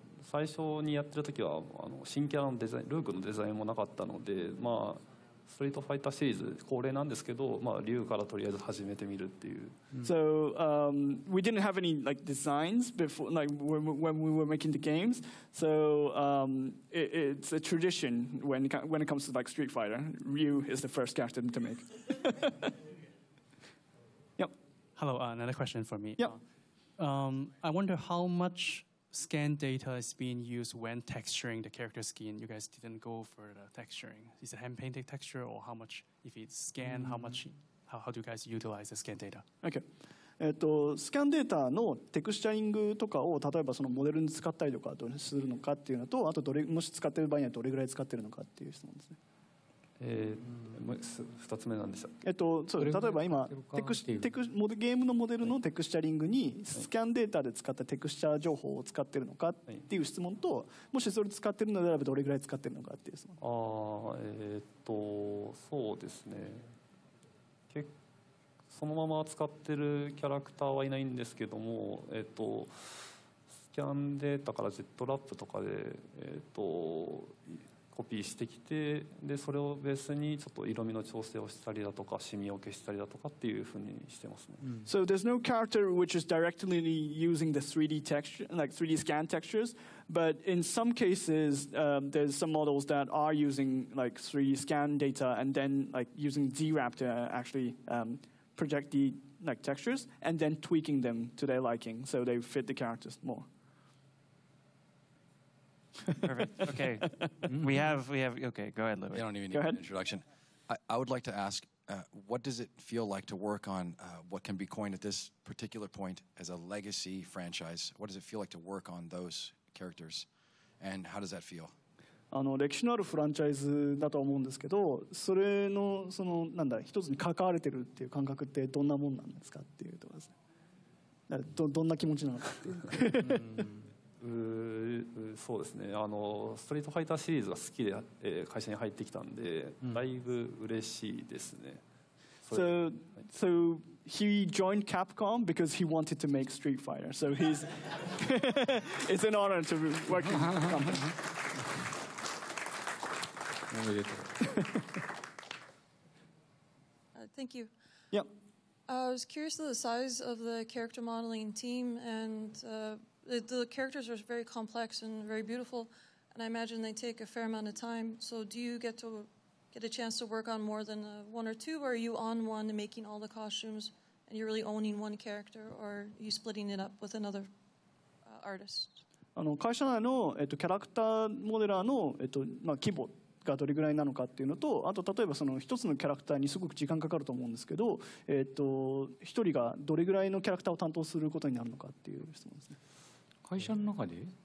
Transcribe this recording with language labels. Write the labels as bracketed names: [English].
[Japanese] 最初にやってる時は新キャラのデザイン、ルークのデザインもなかったので、まあ、ストリートファイターシリーズ恒例なんですけど、まあ、リュウからとりあえず始めてみるっていう。 [English] So, we didn't have any like designs before, like when we were making the games. So, it's a tradition when it comes to like Street Fighter. Ryu is the first character to make. Yep. Hello, another question for me. Yep. I wonder how much scan data is being used when texturing the character skin. You guys didn't go for the texturing. Is it hand-painted texture or how much, if it's scan, mm-hmm. how do you guys utilize the scan data? Okay. [Japanese] スキャンデータのテクスチャリングとかを例えばそのモデルに使ったりとかするのかっていうのと、あとどれもし使ってる場合にはどれぐらい使ってるのかっていう質問ですね。 2つ目なんでした。例えば今ゲームのモデルのテクスチャリングにスキャンデータで使ったテクスチャ情報を使ってるのかっていう質問と、もしそれ使ってるのであればどれぐらい使ってるのかっていう質問。そうですね、そのまま使ってるキャラクターはいないんですけども、スキャンデータからジェットラップとかでコピーしてきて、でそれをベースにちょっと色味の調整をしたりだとか、シミを消したりだとかっていうふうにしてますね。 [English] So there's no character which is directly using the 3D texture, like 3D scan textures, but in some cases, there's some models that are using like 3D scan data and then like using ZRAP to actually project the like textures and then tweaking them to their liking so they fit the characters more. Perfect. Okay. We have. Okay. Go ahead, Louis. You don't even need an introduction. I would like to ask, what does it feel like to work on what can be coined at this particular point as a legacy franchise? What does it feel like to work on those characters? And how does that feel? [Japanese] 歴史のあるフランチャイズだと思うんですけど、それのそのなんだ一つに関われてるっていう感覚ってどんなもんなんですかっていうところですね。どんな気持ちなのかっていう。そうですね、ストリートファイターシリーズが好きで、会社に入ってきたんで、だいぶ嬉しいですね。 [English] So, はい、so he joined Capcom because he wanted to make Street Fighter. So he's it's an honor to work with Capcom. [Japanese] おめでとう。 [English] Thank you. Yep. I was curious of the size of the character modeling team and The characters are very complex and very beautiful, and I imagine they take a fair amount of time. So do you get a chance to work on more than one or two, or are you on one making all the costumes and you're really owning one character, or are you splitting it up with another artist? [Japanese] 会社内の、キャラクターモデラーの、まあ、規模がどれぐらいなのかっていうのと、あと例えばその一つのキャラクターにすごく時間かかると思うんですけど、一人がどれぐらいのキャラクターを担当することになるのかっていう質問ですね。会社の中で、